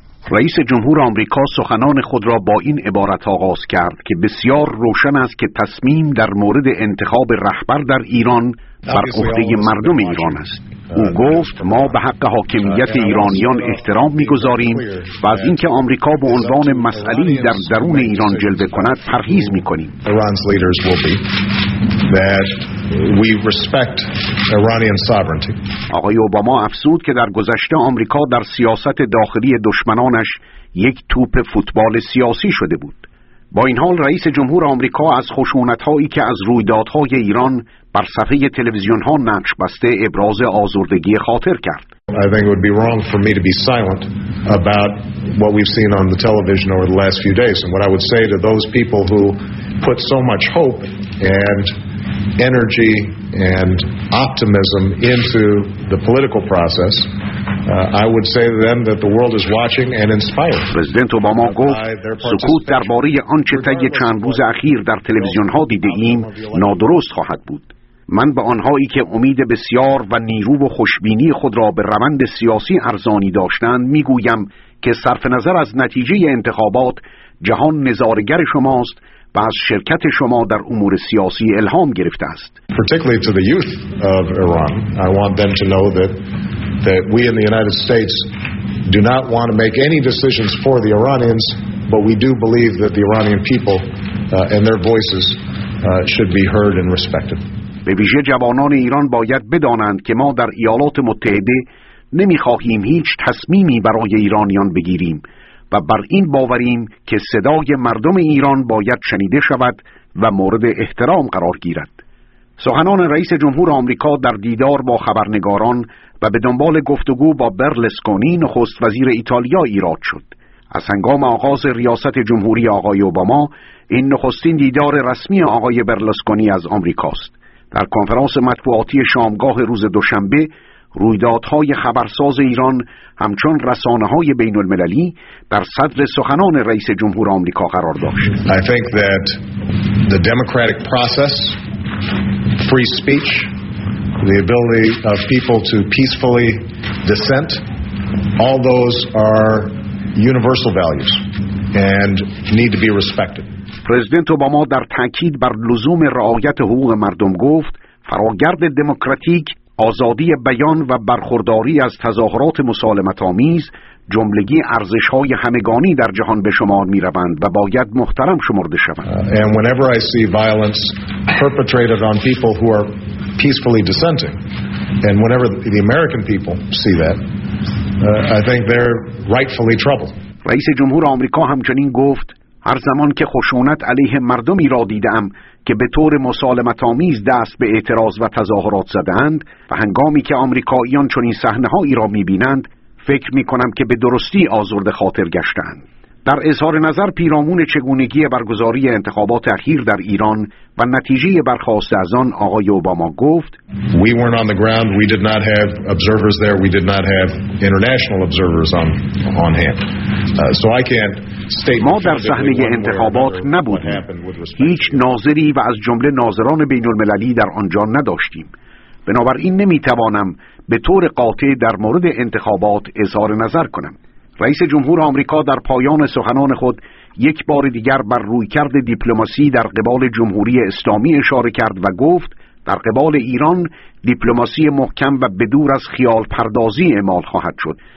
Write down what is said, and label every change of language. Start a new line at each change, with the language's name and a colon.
Persian: رئیس جمهور آمریکا سخنان خود را با این عبارت آغاز کرد که بسیار روشن است که تصمیم در مورد انتخاب رهبر در ایران بر عهده مردم ایران است. او گفت ما به حق حاکمیت ایرانیان احترام می‌گذاریم و از اینکه آمریکا به عنوان مسئله‌ای در درون ایران جلوه کند پرهیز می‌کنیم.
English: Iran's leaders will be that we respect Iranian sovereignty.
Persian: آقای اوباما افزود که در گذشته آمریکا در سیاست داخلی دشمنانش یک توپ فوتبال سیاسی شده بود. با این حال رئیس جمهور آمریکا از خشونت‌هایی که از رویدادهای ایران بر صفحه تلویزیون‌ها نقش بسته ابراز آزردگی خاطر کرد.
English: I think it would be wrong for me to be silent about what we've seen on the television over the last few days and what I would say to those people who put so much hope and energy and optimism into the political process. I would say to them that the world is watching and inspired.
Persian: پرزیدنت اوباما گفت سکوت درباره آنچه طی چند روز اخیر در تلویزیون‌ها دیده ایم نادرست خواهد بود. من به آنهایی که امید بسیار و نیرو و خوشبینی خود را به روند سیاسی ارزانی داشتند میگویم که صرف نظر از نتیجه انتخابات، جهان نظارگر شماست و از شرکت شما در امور سیاسی الهام گرفته است.
English: Particularly to the youth of Iran, I want them to know that we in the United States do not want to make any decisions for the Iranians, but we do believe that the Iranian people and their voices should be heard and respected.
Persian: به ویژه جوانان ایران باید بدانند که ما در ایالات متحده نمی‌خواهیم هیچ تصمیمی برای ایرانیان بگیریم و بر این باوریم که صدای مردم ایران باید شنیده شود و مورد احترام قرار گیرد. سخنان رئیس جمهور آمریکا در دیدار با خبرنگاران و به دنبال گفتگو با برلسکونی نخست وزیر ایتالیا ایراد شد. از هنگام آغاز ریاست جمهوری آقای اوباما این نخستین دیدار رسمی آقای برلسکونی از آمریکاست. در کنفرانس مطبوعاتی شامگاه روز دوشنبه، رویدادهای خبرساز ایران همچون رسانه‌های بین‌المللی در صدر سخنان رئیس جمهور آمریکا قرار داشت.
English: I think that the democratic process, free speech, the ability of people to peacefully dissent, all those are universal values and need to be respected.
Persian: پرزیدنت اوباما در تأکید بر لزوم رعایت حقوق مردم گفت فراگرد دموکراتیک، آزادی بیان و برخورداری از تظاهرات مسالمت‌آمیز جملگی ارزش‌های همگانی در جهان به شمار می‌روند و باید محترم شمرده شوند.
English: And whenever I see violence perpetrated on people who are peacefully dissenting, and whenever the American people see that, I think they're rightfully troubled.
Persian: رئیس جمهور آمریکا همچنین گفت هر زمان که خشونت علیه مردمی را دیدم که به طور مسالمت‌آمیز دست به اعتراض و تظاهرات زدند و هنگامی که آمریکاییان چنین صحنه‌هایی را می‌بینند فکر می‌کنم که به درستی آزرده خاطر گشتند. در اظهار نظر پیرامون چگونگی برگزاری انتخابات اخیر در ایران و نتیجه برخاست از آن آقای اوباما گفت
English: We weren't on the ground, we did not have observers there, we did not have international observers on hand. So I can't state
Persian: ما در صحنه انتخابات نبودیم. هیچ ناظری و از جمله ناظران بین المللی در آنجا نداشتیم. بنابراین نمیتوانم به طور قاطع در مورد انتخابات اظهار نظر کنم. رئیس جمهور آمریکا در پایان سخنان خود یک بار دیگر بر رویکرد دیپلماسی در قبال جمهوری اسلامی اشاره کرد و گفت در قبال ایران دیپلماسی محکم و بدور از خیال پردازی اعمال خواهد شد